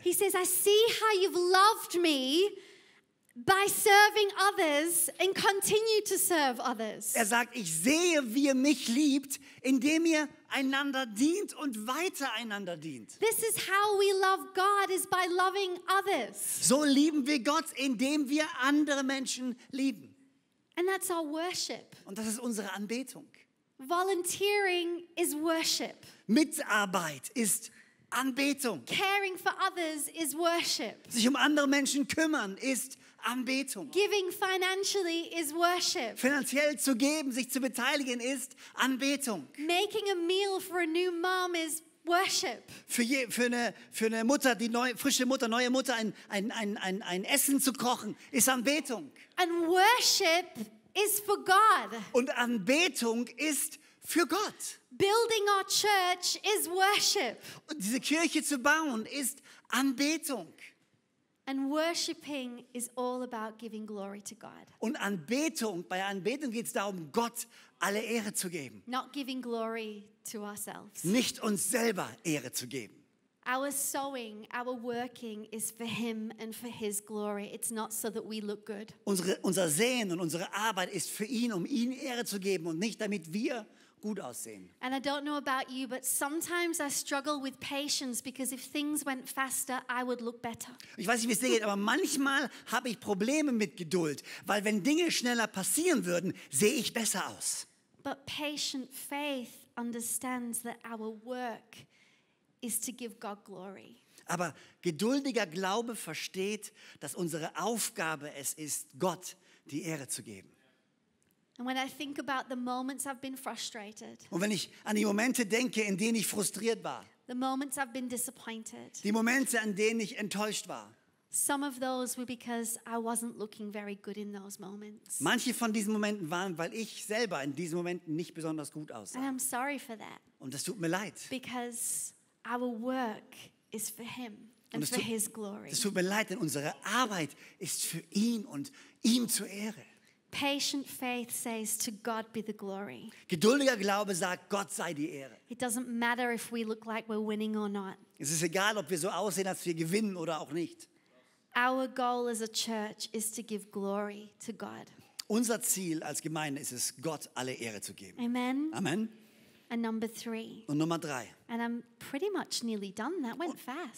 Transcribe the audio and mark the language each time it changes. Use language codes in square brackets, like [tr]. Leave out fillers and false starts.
[en] He says, I see how you've loved me by serving others and continue to serve others. [de] Er sagt, ich sehe, wie ihr mich liebt, indem ihr einander dient und weiter einander dient. [en] This is how we love God, is by loving others. [de] So lieben wir Gott, indem wir andere Menschen lieben. [en] And that's our worship. [de] Und das ist unsere Anbetung. [en] Volunteering is worship. [de] Mitarbeit ist Anbetung. [en] Caring for others is worship. [de] Sich um andere Menschen kümmern ist Anbetung. [en] Giving financially is worship. [de] Finanziell zu geben, sich zu beteiligen ist Anbetung. [en] Making a meal for a new mom is worship. [de] Für eine Mutter, die neue, frische Mutter, neue Mutter, ein Essen zu kochen, ist Anbetung. [en] And worship is for God. [de] Und Anbetung ist für Gott. [en] Building our church is worship. [de] Und diese Kirche zu bauen ist Anbetung. [en] And worshiping is all about giving glory to God. [de] Und Anbetung, bei Anbetung geht es darum, Gott alle Ehre zu geben. [en] Not giving glory to ourselves. [de] Nicht uns selber Ehre zu geben. [en] Our sowing, our working is for him and for his glory. It's not so that we look good. [de] Unser Sehen und unsere Arbeit ist für ihn, um ihm Ehre zu geben und nicht damit wir gut aussehen. [en] And I don't know about you, but sometimes I struggle with patience because if things went faster, I would look better. [de] Ich weiß nicht, wie es dir geht, aber manchmal habe ich Probleme mit Geduld, weil wenn Dinge schneller passieren würden, sehe ich besser aus. [en] But patient faith understands that our work is to give God glory. [de] Aber geduldiger Glaube versteht, dass unsere Aufgabe es ist, Gott die Ehre zu geben. [en] And when I think about the moments I've been frustrated. [de] Und wenn ich an die Momente denke, in denen ich frustriert war. [en] The moments I've been disappointed. [de] Die Momente, an denen ich enttäuscht war. [en] Some of those were because I wasn't looking very good in those moments. [de] Manche von diesen Momenten waren, weil ich selber in diesen Momenten nicht besonders gut aussah. [en] And I'm sorry for that. [de] Und das tut mir leid. [en] Because our work is for him and for his glory. [de] Das tut mir leid, denn unsere Arbeit ist für ihn und ihm zur Ehre. [en] Patient faith says to God be the glory. [de] Geduldiger Glaube sagt, Gott sei die Ehre. [en] It doesn't matter if we look like we're winning or not. [de] Es ist egal, ob wir so aussehen, als wir gewinnen oder auch nicht. [en] Our goal as a church is to give glory to God. [de] Unser Ziel als Gemeinde ist es, Gott alle Ehre zu geben. [en] Amen. [de] Amen. [en] And number three. [de] Und Nummer drei. [en] And I'm pretty much nearly done. That went fast.